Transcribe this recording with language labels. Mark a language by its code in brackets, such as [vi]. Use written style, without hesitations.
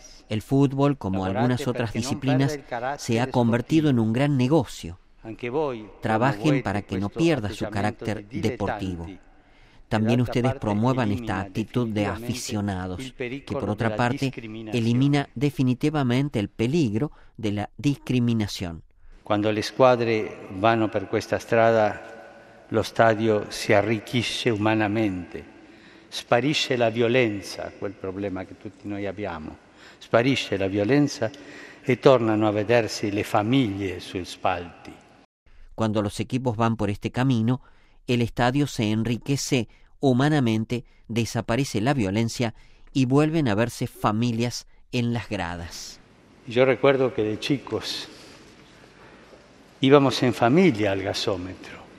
[es] El fútbol, como algunas otras disciplinas, se ha convertido en un gran negocio. Trabajen para que no pierda su carácter deportivo. También ustedes promuevan esta actitud de aficionados, que por otra parte elimina definitivamente el peligro de la discriminación. Cuando las [it] squadre vanno per questa strada, lo stadio si arricchisce umanamente. Sparisce la violenza, quel problema che tutti noi abbiamo. Sparisce la violenza e tornano a vedersi le famiglie sui spalti. [es] Cuando los equipos van por este camino, el estadio se enriquece humanamente, desaparece la violencia y vuelven a verse familias en las gradas. Yo recuerdo que de chicos íbamos en familia al gasómetro.